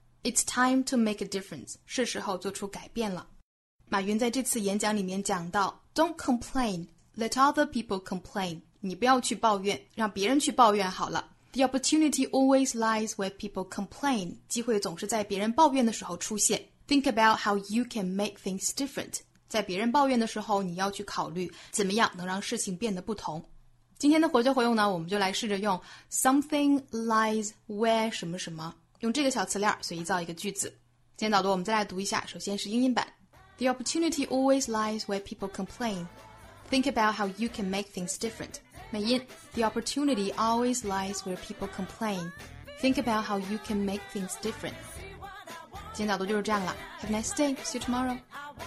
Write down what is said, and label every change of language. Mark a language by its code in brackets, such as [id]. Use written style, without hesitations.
[en] It's time to make a difference [zh] 是时候做出改变了马云在这次演讲里面讲到 [en] Don't complain Let other people complain [zh] 你不要去抱怨让别人去抱怨好了 [en] The opportunity always lies where people complain. [zh] 机会总是在别人抱怨的时候出现。 [en] Think about how you can make things different. [zh] 在别人抱怨的时候你要去考虑怎么样能让事情变得不同。今天的活学活用呢我们就来试着用 [en] something lies where [zh] 什么什么用这个小词链随意造一个句子。今天导读我们再来读一下首先是英音版。 [en] The opportunity always lies where people complain. Think about how you can make things different. [zh] 美音 [en] The opportunity always lies where people complain. Think about how you can make things different. [zh] 今天早读就是这样了 [en] Have a nice day. See you tomorrow.